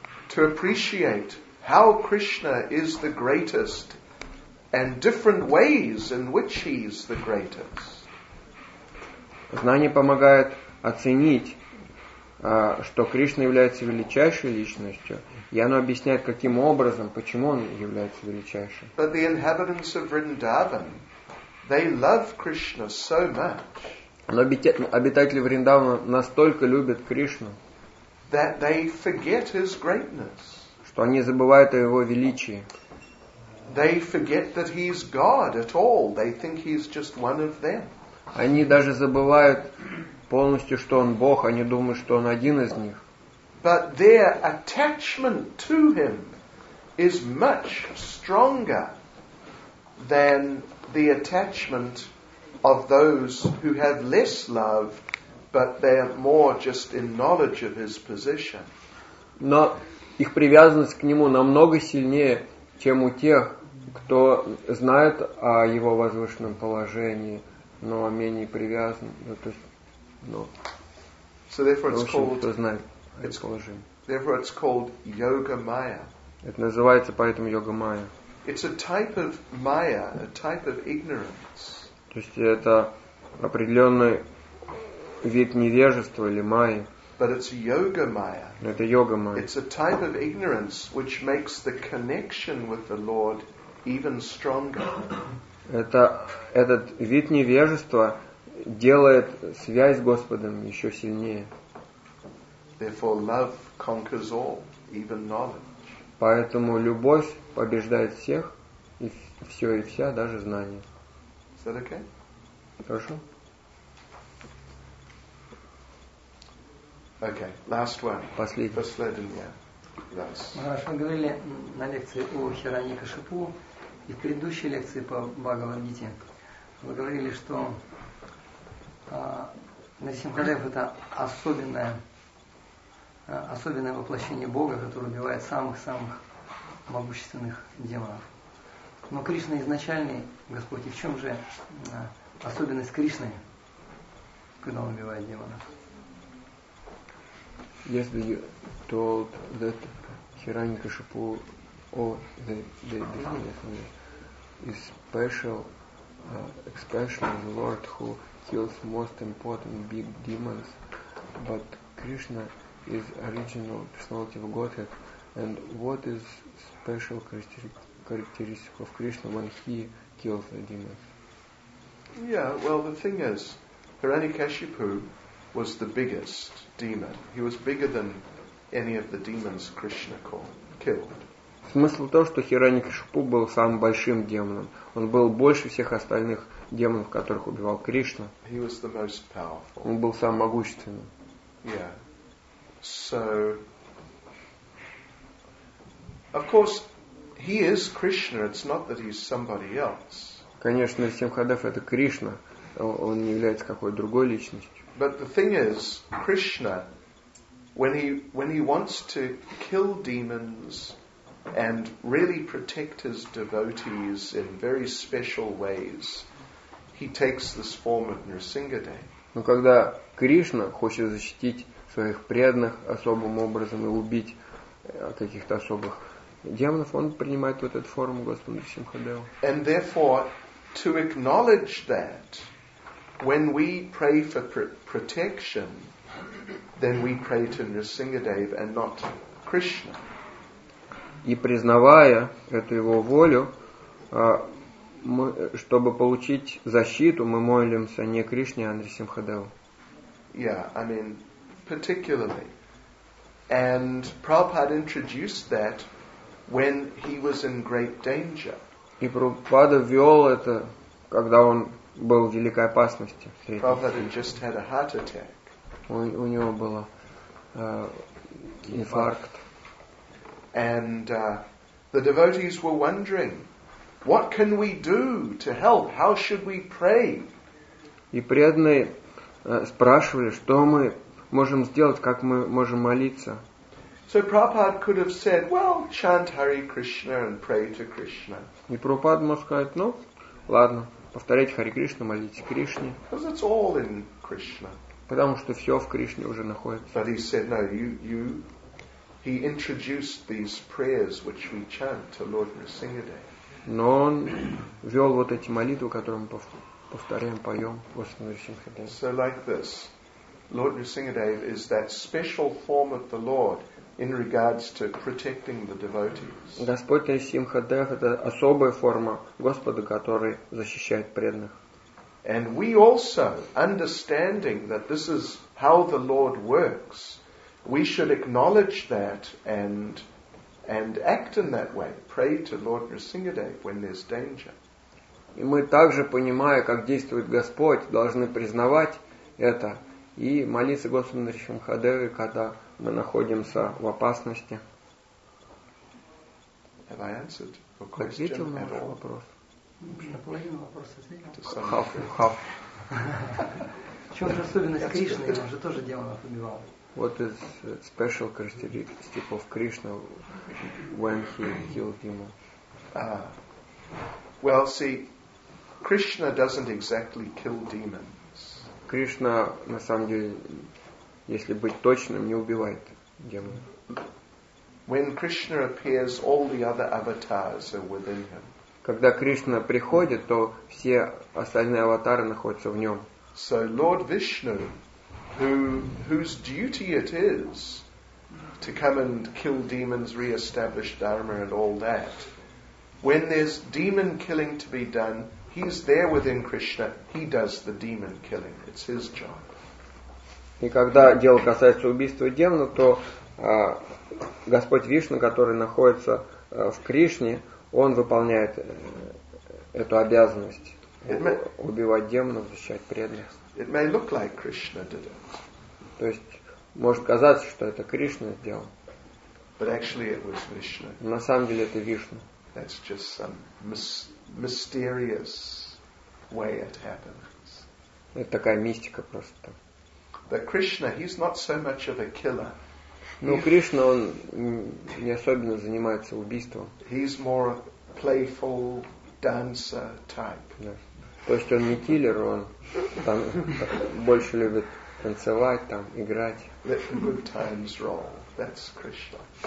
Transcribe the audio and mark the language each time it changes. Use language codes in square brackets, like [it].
[en] To appreciate how Krishna is the greatest and different ways in which he is the greatest. [ru] Знание помогает оценить, что Кришна является величайшей личностью, и оно объясняет, каким образом, почему он является величайшим. [en] But the inhabitants of Vrindavan, they love Krishna so much. [ru] Но обитатели Вриндавана настолько любят Кришну, [en] that they forget his greatness. [ru] Что они забывают о его величии. [en] they forget that he's God at all. They think he's just one of them. [ru] Они даже забывают полностью, что он Бог. Они думают, что он один из них. [en] But their attachment to him is much stronger than the attachment of those who have less love, but they are more just in knowledge of his position. [ru] Но их привязанность к нему намного сильнее, чем у тех, кто знает о его возвышенном положении, но менее привязан. Ну, то есть, ну, [en] so therefore it's called, [ru] кто знает о его положении. [en] Therefore it's called yoga maya. [ru] Это называется поэтому йога майя. [en] It's a type of maya, a type of ignorance. [ru] То есть это определенный вид невежества или майи. [en] But it's yoga maya. [ru] Но это йога майя. [en] It's a type of ignorance which makes the connection with the Lord even stronger. [ru] Это этот вид невежества делает связь с Господом еще сильнее. [en] Therefore, love conquers all, even knowledge. [ru] Поэтому любовь побеждает всех и все и вся, даже знание. [en] Is that okay? [ru] Хорошо. [en] Okay, last one. [ru] Последний. Раз мы говорили на лекции о Хираньякашипу и в предыдущей лекции по Бхагавад-гите, вы говорили, что Нарсимхадев это особенное воплощение Бога, которое убивает самых-самых могущественных демонов. Но Кришна изначальный Господь, и в чем же особенность Кришны, когда он убивает демонов? Если [en] you told that Hiranyakashipu or the definitely is special, especially the Lord who kills most important big demons, but Krishna is original personality of Godhead, and what is special characteristic of Krishna when he kills the demons? Yeah, well, the thing is, Hiranyakashipu was the biggest demon. He was bigger than any of the demons Krishna killed. [ru] Смысл в том, что Хираньякашипу был самым большим демоном. Он был больше всех остальных демонов, которых убивал Кришна. [en] He was the most powerful. [ru] Он был самым могущественным. [en] Yeah. So, of course, he is Krishna. It's not that he's somebody else. [ru] Конечно, Симхадев это Кришна. Он не является какой-то другой личностью. [en] But the thing is, Krishna, when he wants to kill demons and really protect his devotees in very special ways, he takes this form of Nrsingadev. [ru] Но когда Кришна хочет защитить своих преданных особым образом и убить каких-то особых демонов, он принимает вот эту форму Господа Симхадева. [en] And therefore, to acknowledge that, when we pray for protection, then we pray to Nrsingadev and not Krishna. [ru] И признавая эту его волю, мы, чтобы получить защиту, мы молимся не Кришне, а Нрсимхадеву. [en] Yeah, I mean, particularly. And Prabhupada introduced that when he was in great danger. [ru] И Прабхупада ввел это, когда он был в великой опасности. [en] Prabhupada just had a heart attack. [ru] У него был инфаркт. [en] And the devotees were wondering, what can we do to help? How should we pray? [ru] И преданные спрашивали, что мы можем сделать, как мы можем молиться. [en] So Prabhupada could have said, well, chant Hare Krishna and pray to Krishna. [ru] И Прабхупада мог сказать, ну, ладно. Повторять Хари Кришну, молитесь Кришне. [en] Because it's all in Krishna. [ru] Потому что все в Кришне уже находится. [en] But he said, no, he introduced these prayers which we chant to Lord Nrsingadev. [ru] Но он ввел вот эти молитвы, которые мы повторяем, поем Господу Нрсимхадеву. [en] So like this, Lord Nrsingadev is that special form of the Lord in regards to protecting the devotees. [ru] Господь Нрсимхадев это особая форма Господа, который защищает преданных. [en] And we also, understanding that this is how the Lord works, we should acknowledge that and act in that way. Pray to Lord Nrsingadev when there's danger. [ru] И мы также, понимая, как действует Господь, должны признавать это и молиться Господу Нрсимхадеве, когда мы находимся в опасности. [en] Have I answered your question at all? [ru] Ответил на ваш вопрос. В чем же особенность Кришны? Он же тоже демонов убивал. [en] What is special characteristic of Krishna when he killed demons? Well, see, Krishna doesn't exactly kill demons. [ru] Кришна, на самом деле, если быть точным, не убивает демонов. [en] When Krishna appears, all the other avatars are within him. [ru] Когда Кришна приходит, то все остальные аватары находятся в нем. [en] So Lord Vishnu, whose duty it is to come and kill demons, re-establish dharma and all that, when there's demon killing to be done, he's there within Krishna, he does the demon killing. It's his job. [ru] И когда дело касается убийства демона, то Господь Вишну, который находится в Кришне, он выполняет эту обязанность убивать демонов, защищать преданных. [en] It may look like Krishna did it. [ru] То есть может казаться, что это Кришна сделал. [en] But actually it was Vishnu. [ru] На самом деле это Вишну. [en] That's just some mysterious way it happens. [ru] Это такая мистика просто. [en] But Krishna, he's not so much of a killer. [ru] Ну, Кришна, он не особенно занимается убийством. [en] He's more a playful dancer type. Yes. [ru] То есть он не киллер, он там больше любит танцевать, там играть. [en] Let the good times roll. That's Krishna.